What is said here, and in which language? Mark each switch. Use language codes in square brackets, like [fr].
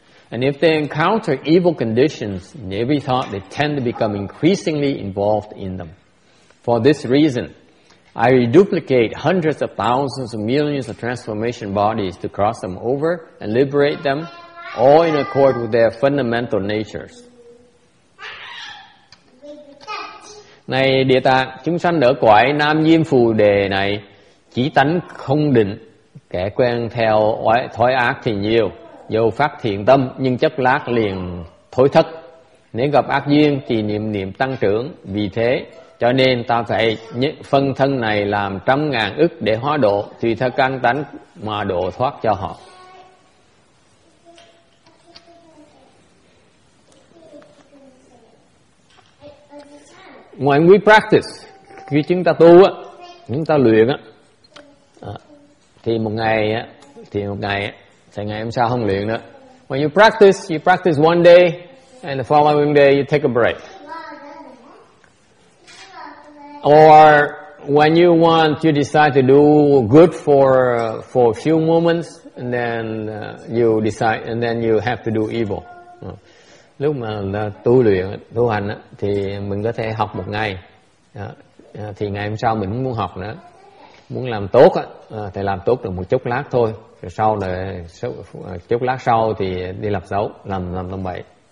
[en] And if they encounter evil conditions in every thought, they tend to become increasingly involved in them. For this reason, I reduplicate hundreds of thousands of millions of transformation bodies to cross them over and liberate them, all in accord with their fundamental natures. [vi] Này Địa Tạng, chúng sanh ở cõi Nam Diêm Phù Đề này, chỉ tánh không định, Kẻ quen theo thói ác thì nhiều, dù phát thiện tâm nhưng chốc lát liền thối thất. Nếu gặp ác duyên thì niệm niệm tăng trưởng. Vì thế cho nên ta phải phân thân này làm trăm ngàn ức để hóa độ, tùy theo căn tánh mà độ thoát cho họ. [en] When we practice, [vi] khi chúng ta tu, chúng ta luyện, thì một ngày, thì ngày hôm sau không luyện nữa. [en] When you practice one day, and the following day you take a break. Or when you want to decide to do good for a few moments, and then you have to do evil. [vi] Lúc mà tu luyện, tu hành thì mình có thể học một ngày. Thì ngày hôm sau mình muốn học nữa. Muốn làm tốt thì làm tốt được một chút lát thôi. Rồi sau là chút lát sau thì đi làm xấu, làm bậy.